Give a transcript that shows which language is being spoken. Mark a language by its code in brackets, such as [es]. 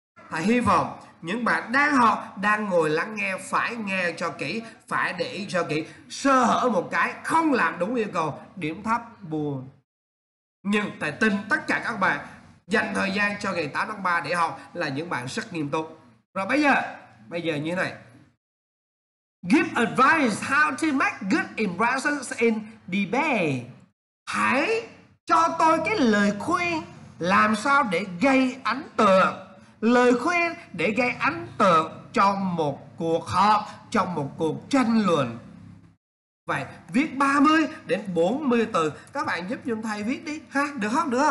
[vi] Thầy hy vọng những bạn đang học, đang ngồi lắng nghe, phải nghe cho kỹ, phải để ý cho kỹ. Sơ hở một cái, không làm đúng yêu cầu, điểm thấp, buồn. Nhưng thầy tin tất cả các bạn dành thời gian cho ngày 8 tháng 3 để học là những bạn rất nghiêm túc. Rồi bây giờ như thế này. [en] Give advice how to make good impressions in debate. [vi] Hãy cho tôi cái lời khuyên làm sao để gây ấn tượng. Lời khuyên để gây ấn tượng trong một cuộc họp, trong một cuộc tranh luận. Vậy viết 30 đến 40 từ. Các bạn giúp giùm thầy viết đi ha. Được không?